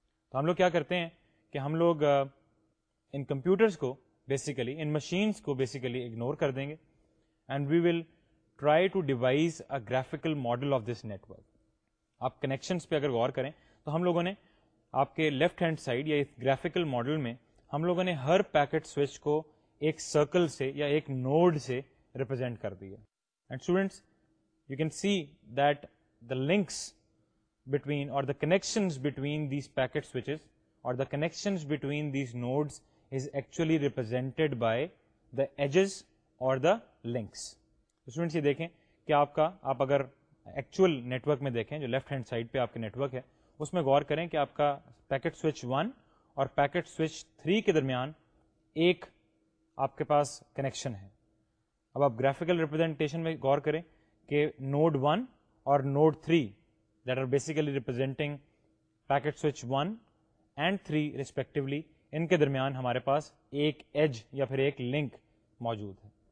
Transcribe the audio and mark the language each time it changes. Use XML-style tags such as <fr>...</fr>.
<ur>تو ہم لوگ کیا کرتے ہیں کہ ہم لوگ ان کمپیوٹرز کو بیسیکلی, ان مشینز کو بیسیکلی اگنور کر دیں گے,</ur> <en>And we will try to devise a graphical model of this network.</en> <ur>آپ کنیکشنز پہ اگر غور کریں تو ہم لوگوں نے آپ کے لیفٹ ہینڈ سائڈ یا اس گرافیکل ماڈل میں ہم لوگوں نے ہر پیکٹ سوئچ کو ایک سرکل سے یا ایک نوڈ سے ریپرزینٹ کر دیا.</ur> <en>And students, you can see that the links between or the connections between these packet switches or the connections between these nodes is actually represented by the edges or the links.</en> <ur>اسٹوڈینٹس, یہ دیکھیں کہ آپ اگر ایکچوئل نیٹورک میں دیکھیں, جو لیفٹ ہینڈ سائڈ پہ آپ کے نیٹورک ہے, اس میں غور کریں کہ آپ کا پیکٹ سوئچ 1 اور پیکٹ سوئچ 3 کے درمیان ایک آپ کے پاس کنیکشن ہے. اب آپ گرافیکل ریپرزینٹیشن میں غور کریں کہ نوڈ 1 اور node 3</ur> <en>that are basically representing packet switch 1 and 3 respectively,</en> <ur>ان کے درمیان ہمارے پاس ایک ایج یا پھر ایک لنک موجود ہے.</ur>